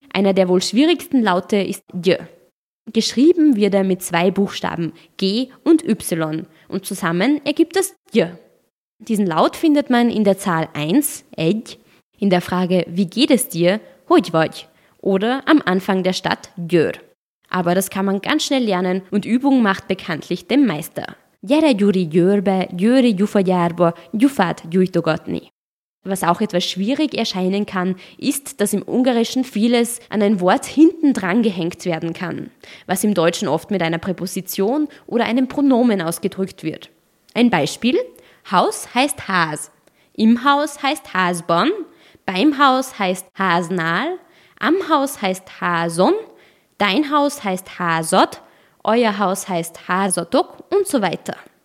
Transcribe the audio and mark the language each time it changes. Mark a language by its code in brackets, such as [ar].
[de] Einer der wohl schwierigsten Laute ist J. Geschrieben wird er mit zwei Buchstaben G und Y und zusammen ergibt das J. Diesen Laut findet man in der Zahl 1, Egy, in der Frage wie geht es dir, [hu] hogy vagy, [de] oder am Anfang der Stadt Györ. Aber das kann man ganz schnell lernen und Übung macht bekanntlich den Meister. [hu] Gyere Gyuri Györbe, Gyuri Gyufagyárba, Gyufát Gyújtogatni. [de] Was auch etwas schwierig erscheinen kann, ist, dass im Ungarischen vieles an ein Wort hinten dran gehängt werden kann, was im Deutschen oft mit einer Präposition oder einem Pronomen ausgedrückt wird. Ein Beispiel: Haus heißt Haas, im Haus heißt Hasbon, beim Haus heißt Hasnal, am Haus heißt Hason, dein Haus heißt Hasot, euer Haus heißt Hasotok und so weiter.